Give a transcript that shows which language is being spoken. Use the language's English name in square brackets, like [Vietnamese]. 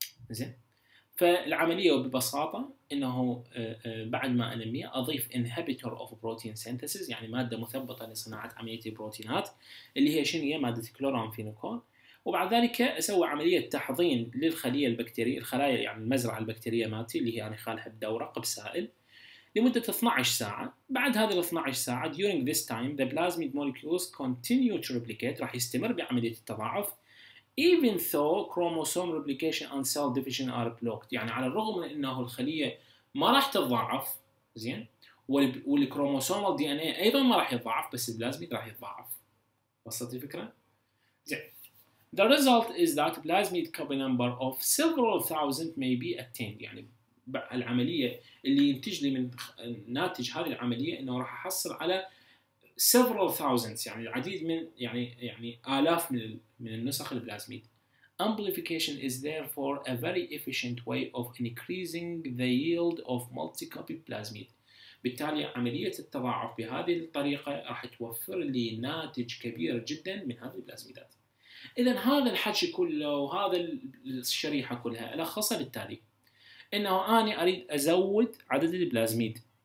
[Arabic] زين، فالعملية ببساطة انه بعد ما انميه اضيف [English] inhibitor of protein synthesis، [Arabic] يعني مادة مثبطة لصناعة عملية البروتينات، اللي هي شنو؟ هي مادة كلورامفينوكول. وبعد ذلك اسوي عملية تحضين للخلية البكتيرية، الخلايا يعني المزرعة البكتيرية مالتي، اللي هي انا خالها بدورق بسائل لمدة 12 ساعة. بعد هذه ال 12 ساعة [English] during this time the plasmid molecules continue to replicate، [Arabic] راح يستمر بعملية التضاعف. [English] Even though chromosome replication and cell division are blocked، [Arabic] يعني على الرغم من انه الخلية ما راح تتضاعف، زين، والكروموسومال دي ان اي ايضا ما راح يتضاعف، بس البلازميد راح يتضاعف. وصلت الفكرة؟ زين. [English] The result is that plasmid copy number of several thousand may be attained، [Arabic] يعني العملية اللي ينتج لي من ناتج هذه العملية انه راح احصل على [English] several thousands، [Arabic] يعني العديد من يعني آلاف من النسخ البلازميد. [English] Amplification is therefore a very efficient way of increasing the yield of multi-copy plasmid. [Arabic] بالتالي عملية التضاعف بهذه الطريقة راح توفر لي ناتج كبير جدا من هذه البلازميدات. إذا هذا الحكي كله وهذا الشريحة كلها ألخصها بالتالي، إنه أنا أريد أزود عدد البلازميد.